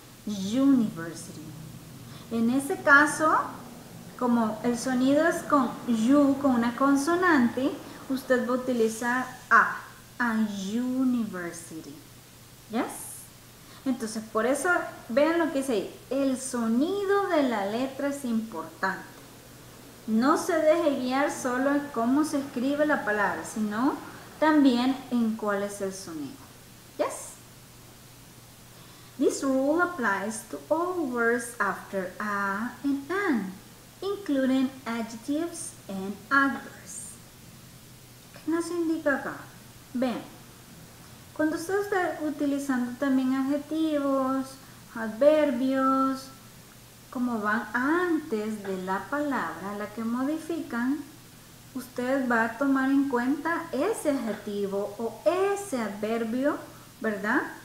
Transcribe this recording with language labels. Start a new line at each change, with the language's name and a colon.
Spanish: University. En ese caso, como el sonido es con you, con una consonante, usted va a utilizar a university, ¿yes? Entonces, por eso, vean lo que dice ahí. El sonido de la letra es importante. No se deje guiar solo en cómo se escribe la palabra, sino también en cuál es el sonido.
English: ¿Yes? This rule applies to all words after a and an, including adjectives and adverbs.
Spanish: ¿Qué nos indica acá? Vean. Cuando usted está utilizando también adjetivos, adverbios, como van antes de la palabra, la que modifican, usted va a tomar en cuenta ese adjetivo o ese adverbio, ¿verdad?